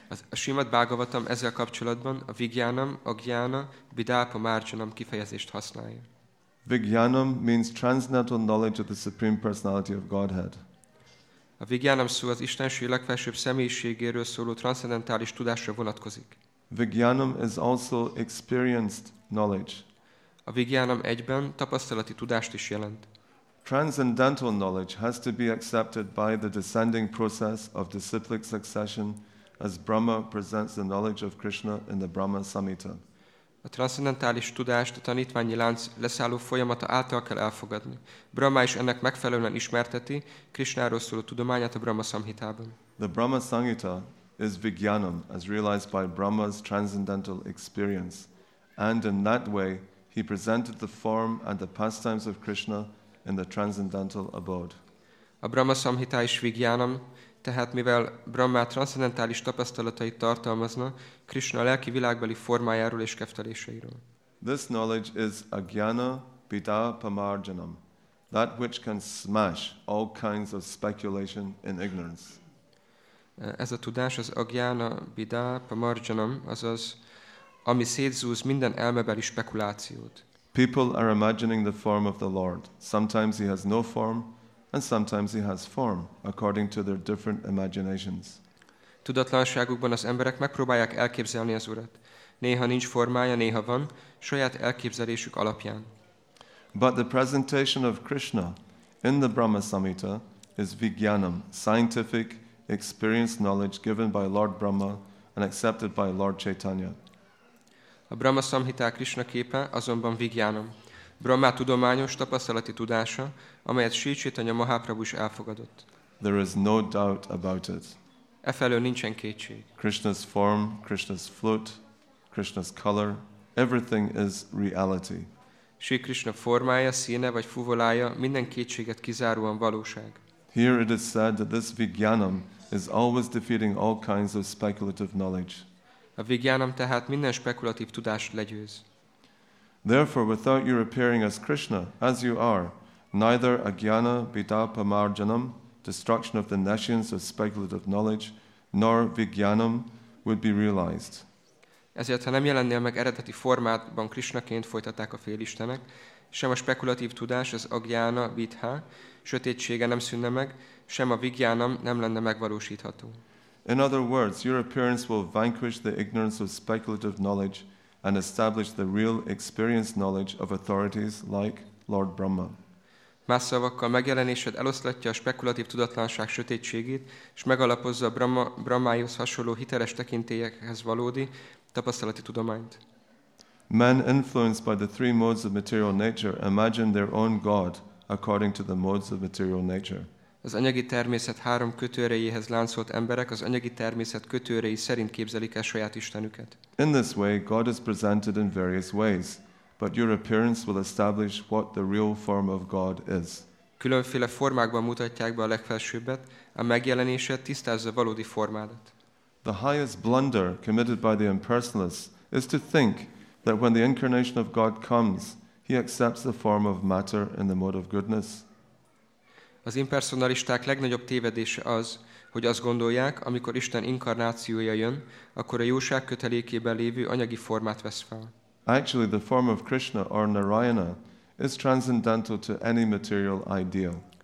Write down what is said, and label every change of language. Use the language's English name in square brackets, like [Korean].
[Hungarian] A Srimad Bhagavatam ezzel kapcsolatban a Vigyanam Agyana Bidha Pamarjanam kifejezést használja. [English] Vigyanam means transcendental knowledge of the Supreme Personality of Godhead. [Hungarian] A Vigyanam szó az Istenség legfelsőbb személyiségéről szóló transzcendentális tudásra vonatkozik. [English] Vigyanam is also experienced knowledge. [Hungarian] A vigyanam egyben tapasztalati tudást is jelent. [English] Transcendental knowledge has to be accepted by the descending process of disciplic succession as Brahma presents the knowledge of Krishna in the Brahma Samhita. [Hungarian] A transzendentális tudást a tanítványi lánc leszálló folyamata által kell elfogadni. Brahma is ennek megfelelően ismerteti Krishnáról szóló tudományát a Brahma Samhitában. [English] The Brahma Samhita is Vigyanam, as realized by Brahma's transcendental experience. And in that way, he presented the form and the pastimes of Krishna in the transcendental abode. [Hungarian] A Brahma Samhita is Vigyanam, tehát mivel Brahma transzendentális tapasztalatait tartalmazna, Krishna lelki világbeli formájáról és kefteléseiről. [English] This knowledge is Agyana Bidha Pamarjanam, that which can smash all kinds of speculation in ignorance. [Hungarian] Ez a tudás, az agyána, bidá, pamarjanam, azaz, ami szétzúz minden elmebeli spekulációt. [English] People are imagining the form of the Lord. Sometimes he has no form, and sometimes he has form, according to their different imaginations. [Hungarian] Tudatlanságukban az emberek megpróbálják elképzelni az Urat. Néha nincs formája, néha van, saját elképzelésük alapján. [English] But the presentation of Krishna in the Brahma Samhita is vigyanam, scientific, experienced knowledge given by Lord Brahma and accepted by Lord Chaitanya. [Hungarian] A Brahma Samhita Krishna képe azonban vigyánam. Brahma tudományos tapasztalati tudása, amelyet Sri Chaitanya Mahaprabhu is elfogadott. [English] There is no doubt about it. [Hungarian] Efelől nincsen kétség. [English] Krishna's form, Krishna's flute, Krishna's color, everything is reality. [Hungarian] Sri Krishna formája, színe vagy fuvolája minden kétséget kizáróan valóság. [English] Here it is said that this vigyanam is always defeating all kinds of speculative knowledge. [Hungarian] A vigyanam tehát minden spekulatív tudást legyőz. [English] Therefore, without your appearing as Krishna, as you are, neither agyana vidapa marjanam, destruction of the nations of speculative knowledge, nor vigyanam would be realized. [Hungarian] Ezért, ha nem jelennél meg eredeti formádban Krishnaként, folytatták a félistenek, sem a spekulatív tudás, az agyana vidha, sötétsége nem szűnne meg, sem a vigyanam nem lenne megvalósítható. [English] In other words, your appearance will vanquish the ignorance of speculative knowledge and establish the real experienced knowledge of authorities like Lord Brahma. [Hungarian] Más szavakkal, megjelenésed eloszlatja a spekulatív tudatlanság sötétségét, és megalapozza a Brahmájhoz hasonló hiteles tekintélyekhez valódi tapasztalati tudományt. [English] Men influenced by the three modes of material nature imagine their own God according to the modes of material nature. [Hungarian] Az anyagi természet három kötőerejéhez láncolt emberek az anyagi természet kötőerejé szerint képzelik el saját istenüket. [English] In this way, God is presented in various ways, but your appearance will establish what the real form of God is. [Hungarian] Különféle formákban mutatják be a legfelsőbbet, a megjelenésed tisztázza valódi formádat. [English] The highest blunder committed by the impersonalists is to think that when the incarnation of God comes, he accepts the form of matter in the mode of goodness. [Hungarian] Az impersonalisták legnagyobb tévedése az, hogy azt gondolják, amikor Isten inkarnációja jön, akkor a jóság kötelékében lévő anyagi formát vesz fel. [English] Actually, the form of Krishna or Narayana is transcendental to any material ideal.